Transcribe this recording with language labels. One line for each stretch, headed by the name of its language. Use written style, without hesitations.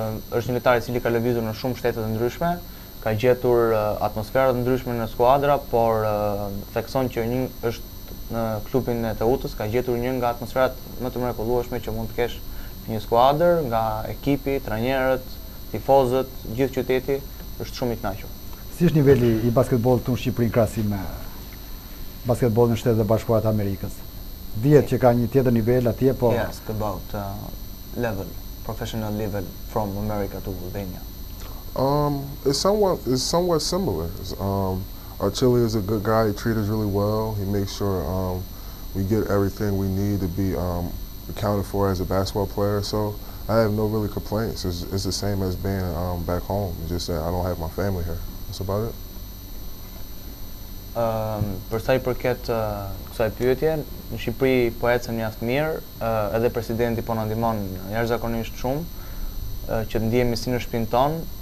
Albanian: Është një lojtar I cili ka lëvizur në shumë shtete të ndryshme, ka gjetur atmosferat ndryshme në skuadra, por thekson që një është në klubin e Teutës ka gjetur një nga atmosferat më të mrekullueshme që mund të kesh një skuadër, nga ekipi, trajnerët, tifozët, gjithë qyteti, është shumë I kënaqur. Si është niveli I basketbollit në Shqipëri në krahasim me basketbollin në Shtetet e Bashkuara të Amerikës? Dihet që ka një tjetër nivel atje, po
English: yes, about level, professional level from America to Albania. It's somewhat similar. Archili is a good guy. He treats us really well. He makes sure we get everything we need to be accounted for as a basketball player. So I have no really complaints. It's the same as being back home. It's just that I don't have my family here. That's about it.
Albanian: Për sa I përket kësaj pyetje, në Shqipëri po ecën mjaft mirë. Edhe presidenti po na ndihmon jashtëzakonisht shumë që ndihemi si në shtëpinë tonë.